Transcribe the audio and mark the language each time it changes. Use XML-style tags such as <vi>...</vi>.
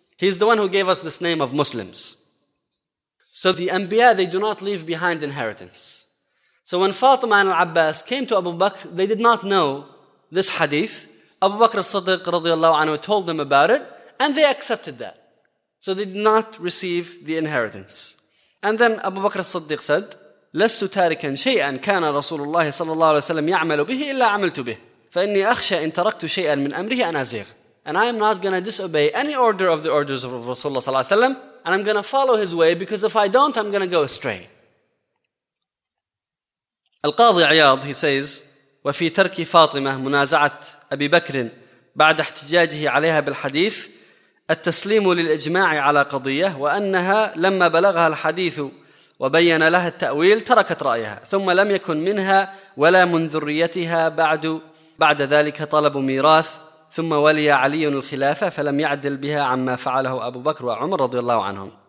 <en>He is the one who gave us this name of Muslims. So the Anbiya, they do not leave behind inheritance. So when Fatima and al-Abbas came to Abu Bakr, they did not know this hadith. Abu Bakr as-Siddiq radiallahu anhu told them about it, and they accepted that. So they did not receive the inheritance. And then Abu Bakr as-Siddiq said,</en> <ar>لَسْتُ تَارِكًا شَيْئًا كَانَ رَسُولُ اللَّهِ صَلَّى اللَّهُ عَلَيْهِ وَسَلَّمْ يَعْمَلُ بِهِ إِلَّا عَمِلْتُ بِهِ فَإِنِّي أَخْشَى إِنْ تَرَكْتُ شَيْئًا مِنْ أَمْرِهِ أَنْ أَزِيغَ.</ar> <en>And I am not going to disobey any order of the orders of Rasulullah sallallahu alaihi wasallam, and I'm going to follow his way, because if I don't, I'm going to go astray. Al-Qadhi Iyad, he says,</en> <ar>وَفِي تَرْكِ فَاطِمَةَ مُنَازَعَةَ أَبِي بَكْرٍ بَعْدَ احْتِجَاجِهِ عَلَيْهَا بِالْحَدِيثِ التَّسْلِيمُ لِلْإِجْمَاعِ عَلَى قَضِيَّةٍ وَأَنَّهَا لَمَّا بَلَغَهَا الْحَدِيثُ وَبَيَّنَ لَهَا التَّأْوِيلُ تَرَكَتْ رَأْيَهَا ثُمَّ لَمْ يَكُنْ مِنْهَا وَلَا مِنْ ذُرِّيَّتِهَا بَعْدَ ذَلِكَ طَلَبُ مِيرَاثٍ ثم ولي علي الخلافه فلم يعدل بها عما فعله ابو بكر وعمر رضي الله عنهم.</ar>